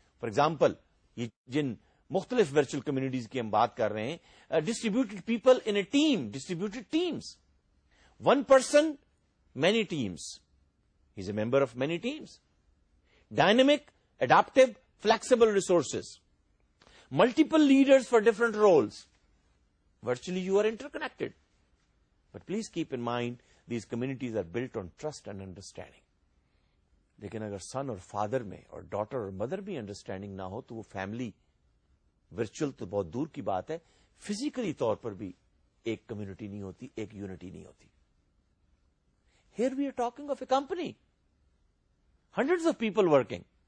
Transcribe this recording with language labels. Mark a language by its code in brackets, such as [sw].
[en] for example [ur] یہ جن مختلف ورچوئل کمیونٹیز کی ہم بات کر رہے ہیں, [en] Distributed people in a team, distributed teams, one person many teams, he is a member of many teams, dynamic adaptive flexible resources, multiple leaders for different roles, virtually you are interconnected. But please keep in mind, these communities are built on trust and understanding. [ur] لیکن اگر son اور father میں اور daughter اور mother بھی understanding نہ ہو تو وہ family virtual تو بہت دور کی بات ہے, physically طور پر بھی ایک community نہیں ہوتی, ایک unity نہیں ہوتی. [en] Here we are talking of a company, hundreds of people working.